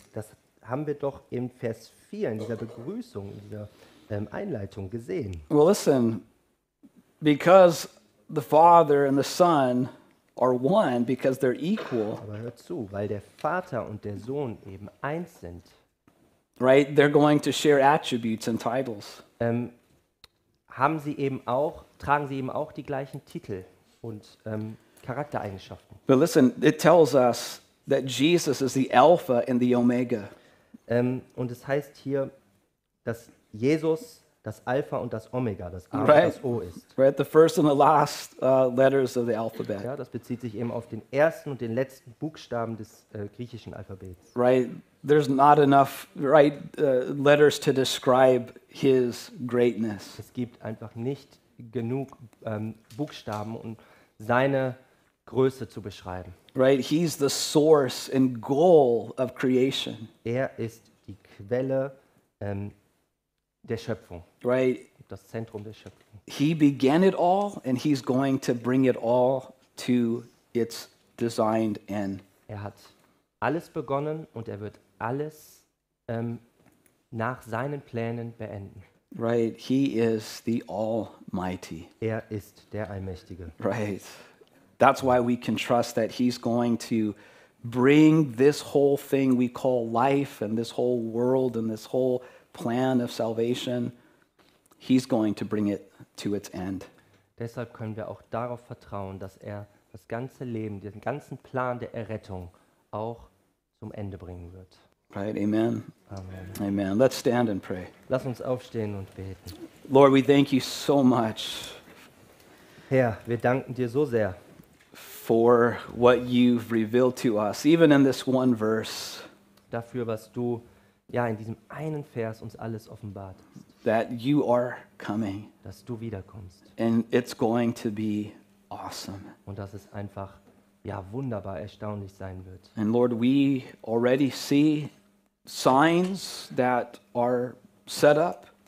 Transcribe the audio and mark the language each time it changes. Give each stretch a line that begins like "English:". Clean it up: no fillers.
German: Das haben wir doch in Vers 4, in dieser Begrüßung, in dieser Einleitung gesehen.
English: Well, listen, because the Father and the Son are one, because they're equal.
German: Aber hör zu, weil der Vater und der Sohn eben eins sind.
English: Right, they're going to share attributes and titles.
German: Haben sie eben auch, tragen sie eben auch die gleichen Titel und Charaktereigenschaften.
English: But listen, it tells us that Jesus is the Alpha and the Omega.
German: Und es heißt hier, dass Jesus das Alpha und das Omega, das A right. und das O ist.
English: Right, the first and the last letters of the alphabet.
German: Ja, das bezieht sich eben auf den ersten und den letzten Buchstaben des griechischen Alphabets.
English: Right, there's not enough right letters to describe his greatness.
German: Es gibt einfach nicht genug Buchstaben, um seine Größe zu beschreiben.
English: Right, he's the source and goal of creation.
German: Er ist die Quelle der Schöpfung.
English: Right.
German: Das Zentrum der Schöpfung.
English: He began it all and he's going to bring it all to its designed end.
German: Er hat alles begonnen und er wird alles nach seinen Plänen beenden.
English: Right. He is the Almighty.
German: Er ist der Allmächtige.
English: Right. That's why we can trust that he's going to bring this whole thing we call life and this whole world and this whole plan of salvation, he's going to bring it to its end.
German: Deshalb können wir auch darauf vertrauen, dass er das ganze Leben, den ganzen Plan der Errettung auch zum Ende bringen wird.
English: Right, amen. Amen. Amen. Let's stand and pray.
German: Lass uns aufstehen und beten.
English: Lord, we thank you so much.
German: Herr, wir danken dir so sehr
English: for what you've revealed to us, even in this one verse.
German: Dafür, was du ja in diesem einen Vers uns alles offenbart hast.
English: That you are coming.
German: Dass du wiederkommst.
English: And it's going to be awesome.
German: Und dass es einfach ja wunderbar erstaunlich sein wird.
English: And Lord, we already see signs that are set up.